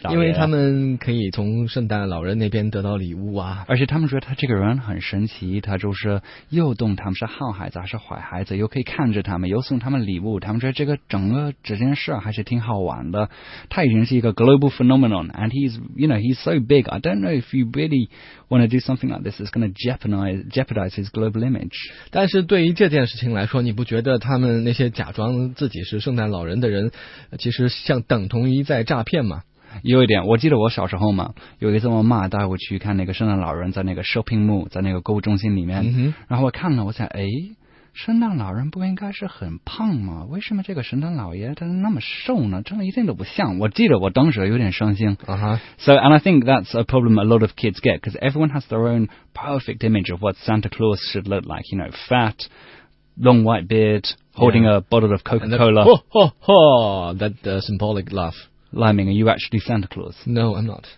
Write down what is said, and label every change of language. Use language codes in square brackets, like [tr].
[zh] 因为他们可以从圣诞老人那边得到礼物啊，而且他们觉得他这个人很神奇，他就是又懂他们是好孩子还是坏孩子，又可以看着他们，又送他们礼物，他们觉得这个整个这件事还是挺好玩的。他已经是一个 [en] global phenomenon, and he's so big. I don't know if you really want to do something like this. It's going to jeopardize his global image. [zh] 但是对于这件事情来说，你不觉得他们那些假装自己是圣诞老人的人，其实像等同于在诈骗吗？有一点，我记得我小时候嘛，有一次我妈带我去看那个圣诞老人，在那个 shopping mall, 在那个购物中心里面，然后我看了，我想，哎，圣诞老人不应该是很胖吗？为什么这个圣诞老爷他那么瘦呢？真的一点都不像。我记得我当时有点伤心。 [en] So, and I think that's a problem a lot of kids get, because everyone has their own perfect image of what Santa Claus should look like. You know, fat, long white beard, holding a bottle of Coca-Cola. That symbolic laugh. Liming, are you actually Santa Claus? No, I'm not.